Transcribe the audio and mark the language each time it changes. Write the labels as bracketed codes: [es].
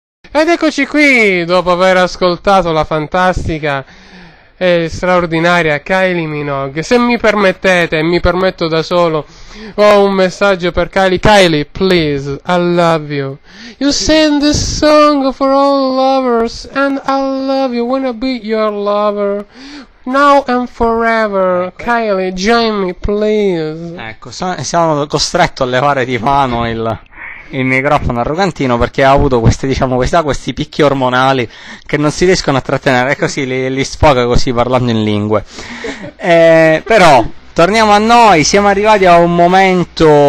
[it] Ed eccoci qui, dopo aver ascoltato la fantastica e straordinaria Kylie Minogue. Se mi permettete, mi permetto da solo, ho un messaggio per Kylie. [en] Kylie, please, I love you. You sing this song for all lovers, and I love you, wanna be your lover. Now and forever, okay. Kylie, join me, please. [it] Ecco, siamo costretto a levare di mano il microfono arrogantino, perché ha avuto queste, diciamo, questi picchi ormonali che non si riescono a trattenere, e così li sfoga così parlando in lingue. Però torniamo a noi, siamo arrivati a un momento.